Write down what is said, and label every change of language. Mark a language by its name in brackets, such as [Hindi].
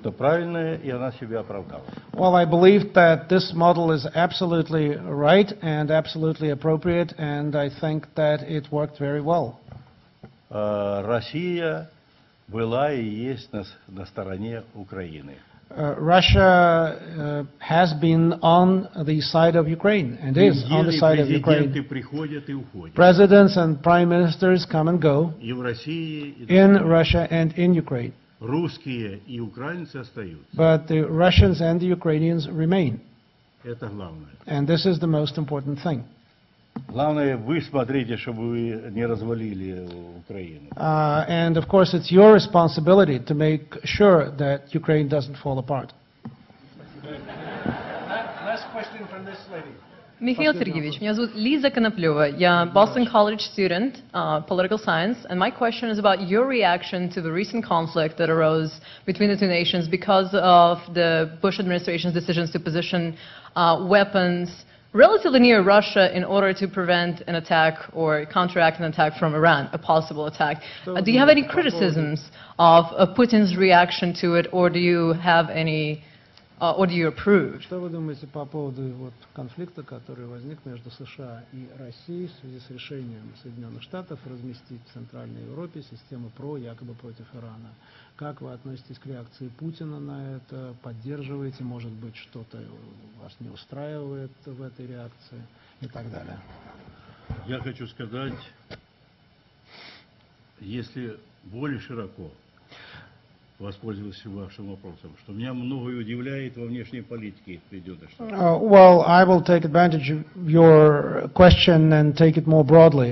[English] Well, I believe that this model is absolutely right and absolutely appropriate, and I think that it worked very well. [Russian] Russia была и есть на стороне Украины. [English] Russia has been on the side of Ukraine and is on the side of Ukraine. Presidents and prime ministers come and go in Russia and in Ukraine. [Russian] Русские и украинцы остаются. [English] But the Russians and the Ukrainians remain. And this is the most important thing. [Russian] Главное, вы смотрите, чтобы вы не развалили Украину. [English] And of course, it's your responsibility to make sure that Ukraine doesn't fall apart. Last question from this lady. [Russian] Михаил Сергеевич, меня зовут Лиза Коноплева. [English] Я Boston College student, political science, and my question is about your reaction to the recent conflict that arose between the two nations because of the Bush administration's decisions to position weapons relatively near Russia in order to prevent an attack or counteract an attack from Iran, a possible attack. Do you have any criticisms of Putin's reaction to it, or do you have any, or do you approve? [Russian] Что вы думаете по поводу вот конфликта, который возник между США и Россией в связи с решением Соединенных Штатов разместить в Центральной Европе систему ПРО якобы против Ирана? Как вы относитесь к реакции Путина на это? Поддерживаете? Может быть, что-то вас не устраивает в этой реакции? И так далее. Я хочу сказать, если более широко воспользоваться вашим вопросом, что меня многое удивляет во внешней политике Соединенных Штатов. [English] Well, I will take advantage of your question and take it more broadly.